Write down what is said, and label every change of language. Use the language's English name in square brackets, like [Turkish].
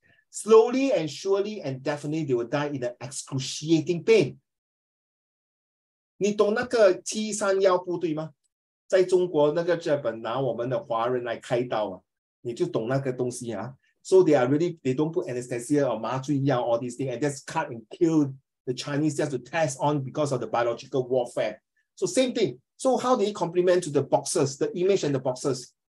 [English] Slowly and definitely, they will die in an excruciating pain. [Chinese] 你懂那个七三幺步对吗?在中国那个日本拿我们的华人来开刀啊，你就懂那个东西啊. [English] So they are really, they don't put anesthesia or 麻醉药, all these things, and just cut and kill the Chinese just to test on because of the biological warfare. So same thing. So how do you complement to the boxes, the image and the boxes?